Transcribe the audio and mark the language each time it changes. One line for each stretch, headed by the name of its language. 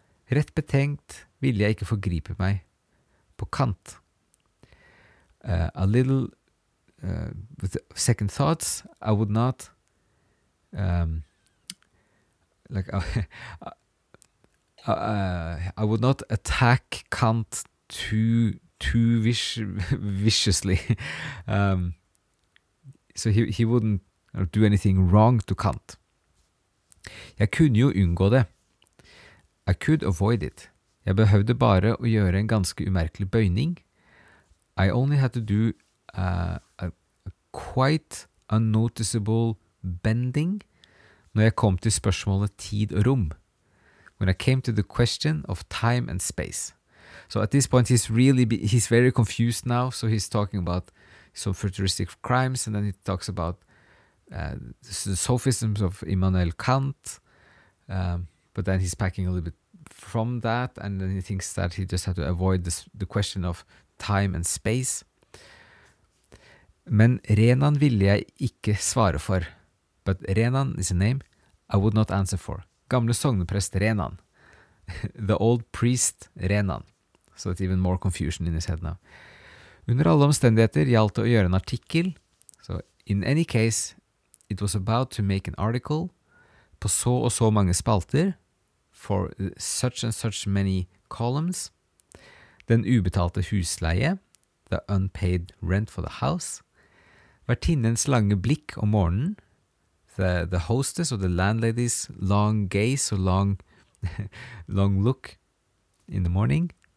Norwegian: Rett betenkt ville jeg ikke forgripe meg på kant.
English: With second thoughts, I would not I would not attack Kant too viciously. So he wouldn't do anything wrong to Kant.
Norwegian: Jeg kunne jo unngå det.
English: I could avoid it.
Norwegian: Jeg behøvde bare å gjøre en ganske umerkelig bøyning.
English: I only had to do a quite unnoticeable bending
Norwegian: når jeg kom til spørsmålet tid og rom.
English: When I came to the question of time and space. So at this point he's very confused now, so he's talking about some futuristic crimes and then he talks about the sophisms of Immanuel Kant, but then he's packing a little bit from that and then he thinks that he just had to avoid the question of time and space.
Norwegian: Men Renan ville jeg ikke svare for.
English: But Renan is a name I would not answer for.
Norwegian: Gamle sogneprest Renan.
English: The old priest Renan. So it's even more confusion in his head now.
Norwegian: Under alle omstendigheter gjaldt det å gjøre en artikkel.
English: So in any case, it was about to make an article
Norwegian: på så og så mange spalter
English: for such and such many columns.
Norwegian: Den ubetalte husleie,
English: the unpaid rent for the house.
Norwegian: Vertinnens lange blikk om morgenen.
English: The hostess or the landlady's long gaze or long look in the morning.